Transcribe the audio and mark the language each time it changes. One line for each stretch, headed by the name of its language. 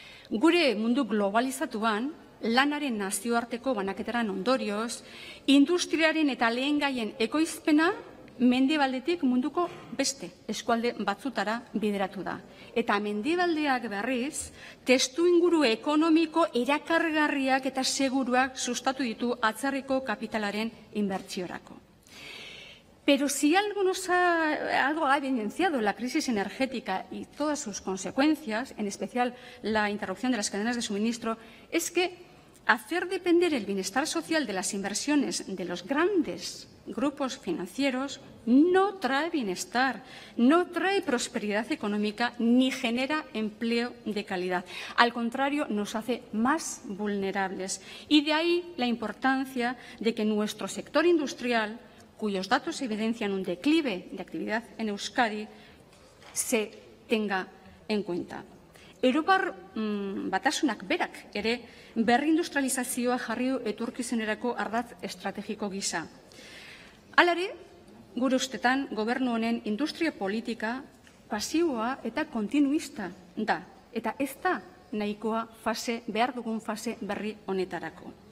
Basque: Gure mundu globalizatuan, lanaren nazioarteko banaketaren ondorioz, industriaren eta lehengaien ekoizpena mendebaldetik munduko beste eskualde batzutara bideratu da. Eta mendebaldeak berriz, testu inguru ekonomiko erakargarriak eta seguruak sustatu ditu atzerriko kapitalaren inbertsiorako.
Spanish: Pero si algo ha evidenciado la crisis energética y todas sus consecuencias, en especial la interrupción de las cadenas de suministro, es que hacer depender el bienestar social de las inversiones de los grandes grupos financieros no trae bienestar, no trae prosperidad económica ni genera empleo de calidad. Al contrario, nos hace más vulnerables. Y de ahí la importancia de que nuestro sector industrial, cuyos datos evidencian un declive de actividad en Euskadi, se tenga en cuenta.
Basque: Europar batasunak berak ere berrindustrializazioa jarri du etorkizunerako ardatz estrategiko gisa. Hala ere, gure ustetan gobernu honen industria politika pasiboa eta kontinuista da, eta ez da nahikoa fase, behar dugun fase berri honetarako.